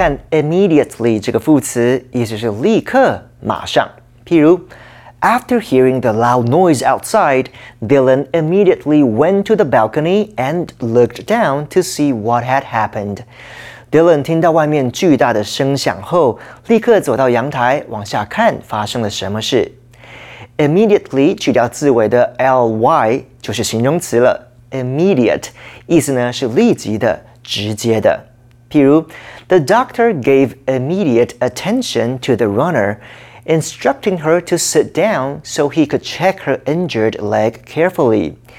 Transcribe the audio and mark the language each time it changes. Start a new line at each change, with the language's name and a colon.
Chinese: Immediately 这个副词意思是立刻马上。譬如,
English: after hearing the loud noise outside, Dylan immediately went to the balcony and looked down to see what had happened.
Chinese: Dylan 听到外面巨大的声响后，立刻走到阳台往下看发生了什么事。 Immediately 去掉字尾的 ly 就是形容词了。Immediate 意思呢是立即的、直接的。譬如
English: The doctor gave immediate attention to the runner, instructing her to sit down so he could check her injured leg carefully.